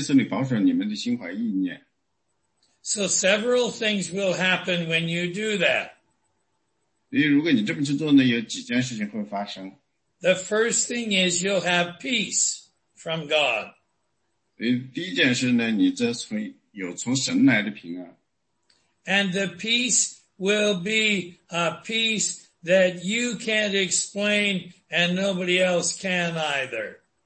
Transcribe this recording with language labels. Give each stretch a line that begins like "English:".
Chinese: 这是怎么做呢？第七节说，神所赐出人意外的平安，必在基督耶稣里保守你们的心怀意念。
English: So several things will happen when you do that.
Chinese: 所以如果你这么去做呢，有几件事情会发生。
English: The first thing is you'll have peace from God.
Chinese: 所以第一件事呢，你这从有从神来的平安。
English: And the peace will be a peace that you can't explain and nobody else can either.